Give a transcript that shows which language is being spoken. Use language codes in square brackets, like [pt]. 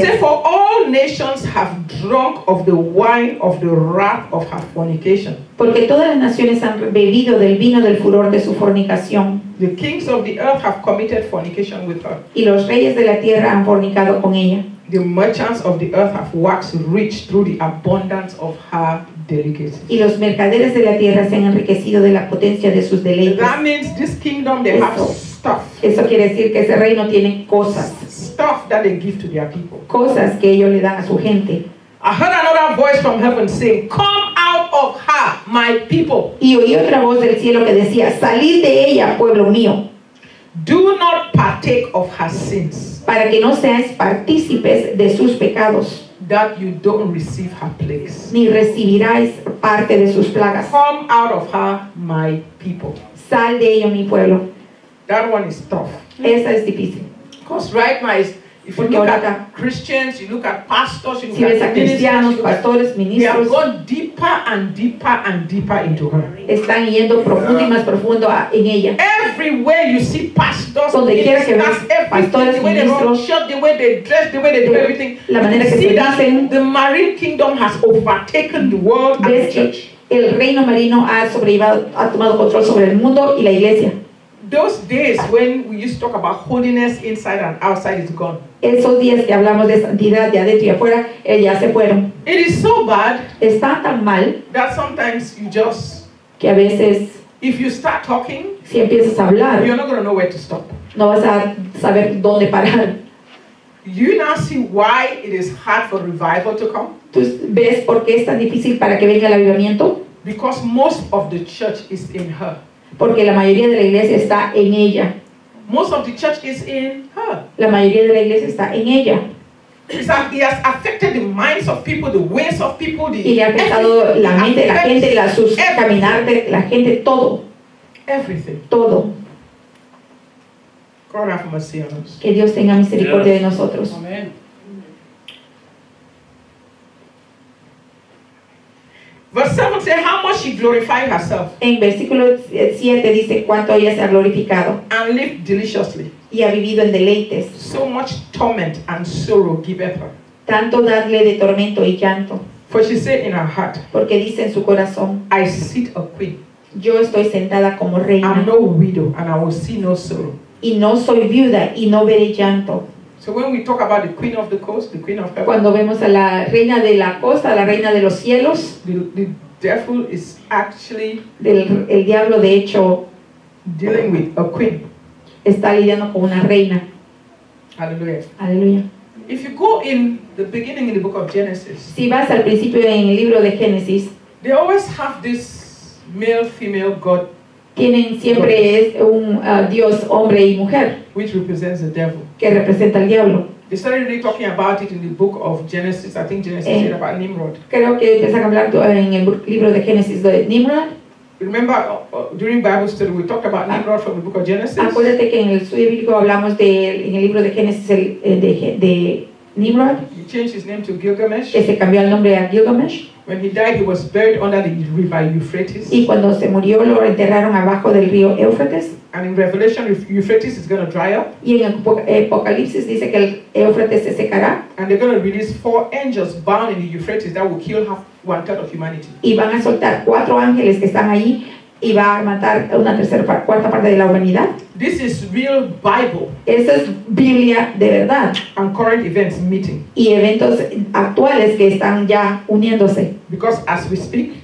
[en] says, for all nations have drunk of the wine of the wrath of her fornication. [es] Porque todas las naciones han bebido del vino del furor de su fornicación. [en] The kings of the earth have committed fornication with her. [es] Y los reyes de la tierra han fornicado con ella. [en] The merchants of the earth have waxed rich through the abundance of her delicacies. [es] Y los mercaderes de la tierra se han enriquecido de la potencia de sus deleites. [en] That means this kingdom they have stuff. [es] Eso quiere decir que ese reino tiene cosas. [en] Stuff that they give to their people. [es] Cosas que ellos le dan a su gente. [en] I heard another voice from heaven saying, "Come out of her, my people." [es] Y oí otra voz del cielo que decía, "Salid de ella, pueblo mío." [en] Do not partake of her sins. [es] Para que no seas partícipes de sus pecados. [en] That you don't receive her plagues. [es] Ni recibiráis parte de sus plagas. [en] Come out of her, my people. [es] Sal de ella, mi pueblo. [en] That one is tough. [es] Esa es difícil. [en] Because right now, if you look at Christians, you look at pastors, you look at [es] cristianos, pastores, ministros, [en] they have gone deeper and deeper and deeper into her. [es] Están yendo profundo y más profundo en ella. [en] Everywhere you see pastors, [es] donde quiera que ves pastores, ministros, [en] the way they dress, the way they do everything, [es] la manera que se visten, [en] the marine kingdom has overtaken the world and the church. [es] El reino marino ha sobrevivido, ha tomado control sobre el mundo y la iglesia. [en] Those days when we used to talk about holiness inside and outside is gone. [es] Esos días que hablamos de santidad ya dentro y afuera, ya se fueron. [en] It is so bad. [es] Está tan mal. [en] That sometimes you just. [es] Que a veces. [en] If you start talking. [es] Si empiezas a hablar. [en] You're not going to know where to stop. [es] No vas a saber dónde parar. [en] You now see why it is hard for revival to come. [es] ¿Tú ves por qué es tan difícil para que venga el avivamiento? [en] Because most of the church is in her. [es] Porque la mayoría de la iglesia está en ella. [en] Most of the church is in her. [es] La mayoría de la iglesia está en ella. [en] It has affected the minds of people, the ways of people, the [es] y le ha afectado la mente, la gente, la sus caminar de la gente, todo. [en] Everything. [es] Todo. [en] God have mercy on us. [es] Que Dios tenga misericordia de nosotros. Amen. [en] Verse 7 says how much she glorified herself. [es] En versículo 7 dice cuánto ella se ha glorificado. [en] And lived deliciously. [es] Y ha vivido en deleites. [en] So much torment and sorrow giveth her. [es] Tanto darle de tormento y llanto. [en] For she said in her heart. [es] Porque dice en su corazón. [en] I sit a queen. [es] Yo estoy sentada como reina. [en] I'm no widow and I will see no sorrow. [es] Y no soy viuda y no veré llanto. [en] So when we talk about the queen of the coast, the queen of heaven. [es] Cuando vemos a la reina de la costa, la reina de los cielos. [en] The devil is actually. [es] El diablo de hecho. [en] Dealing with a queen. [es] Está lidiando con una reina. Hallelujah. Hallelujah. [en] If you go in the beginning in the book of Genesis. [es] Si vas al principio en el libro de Génesis. [en] They always have this male-female god. [es] Tienen siempre un Dios hombre y mujer. [en] Which represents the devil. [es] Que representa al diablo. [en] They started really talking about it in the book of Genesis. I think Genesis said about Nimrod. [es] Creo que empezaron a hablar en el libro de Génesis de Nimrod. [en] Remember during Bible study we talked about Nimrod from the book of Genesis. [es] Acuérdate que en el estudio bíblico hablamos de en el libro de Génesis de Nimrod. [en] He changed his name to Gilgamesh. [es] Que se cambió el nombre a Gilgamesh. [en] When he died, he was buried under the river Euphrates. [es] Y cuando se murió, lo enterraron abajo del río Éufrates. [en] And in Revelation, Euphrates is going to dry up. [es] Y en Apocalipsis dice que el Éufrates se secará. [en] And they're going to release four angels bound in the Euphrates that will kill half one third of humanity. [es] Y van a soltar cuatro ángeles que están ahí y va a matar una tercera cuarta parte de la humanidad. [en] This is real Bible. [es] Esa es Biblia de verdad. [en] And current events meeting. [es] Y eventos actuales que están ya uniéndose. [en] Because as we speak.